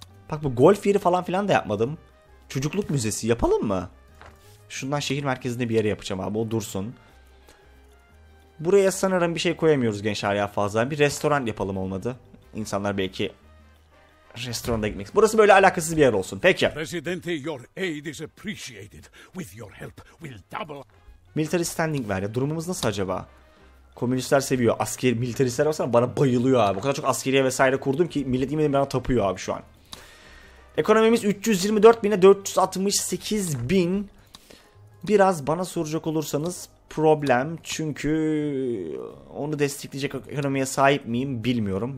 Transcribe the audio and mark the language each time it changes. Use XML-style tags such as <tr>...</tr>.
<tr>Bak bu golf yeri falan filan da yapmadım. Çocukluk müzesi yapalım mı? Şundan şehir merkezinde bir yere yapacağım abi. O dursun. Buraya sanırım bir şey koyamıyoruz gençler ya fazla. Bir restoran yapalım olmadı. İnsanlar belki... Restoranda gitmek. Burası böyle alakasız bir yer olsun. Peki.</tr> <en>Presidente, your aid is appreciated. With your help, we'll double. Military standing</en> <tr>var ya. Durumumuz nasıl acaba? Komünistler seviyor. Asker, militaristler varsa bana bayılıyor abi. O kadar çok askeriye vesaire kurdum ki millet yemin ederim bana tapıyor abi şu an. Ekonomimiz 324 bine 468 bin. Biraz bana soracak olursanız problem çünkü onu destekleyecek ekonomiye sahip miyim bilmiyorum.</tr>